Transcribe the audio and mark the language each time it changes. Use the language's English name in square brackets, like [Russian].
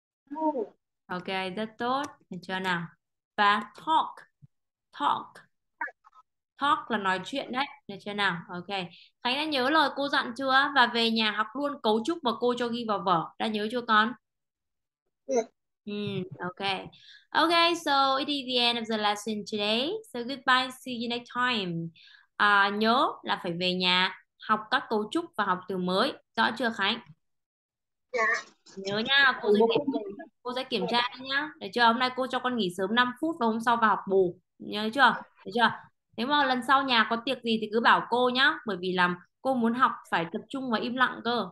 [English] Move. [Vietnamese] Ok, rất tốt. Được chưa nào? Và talk. Talk. Talk là nói chuyện đấy, được chưa nào? Ok. Khánh đã nhớ lời cô dặn chưa? Và về nhà học luôn cấu trúc mà cô cho ghi vào vở. Đã nhớ chưa con? [English] Ok. Ok, so it is the end of the lesson today. So goodbye, see you next time. [Vietnamese] Nhớ là phải về nhà học các cấu trúc và học từ mới. Rõ chưa Khánh? [English] Yeah. [Vietnamese] Nhớ nha, cô sẽ kiểm tra nhá. Được chưa? Hôm nay cô cho con nghỉ sớm 5 phút và hôm sau vào học bù. Nhớ chưa? Được chưa? Nếu mà lần sau nhà có tiệc gì thì cứ bảo cô nhá. Bởi vì làm cô muốn học phải tập trung và im lặng cơ.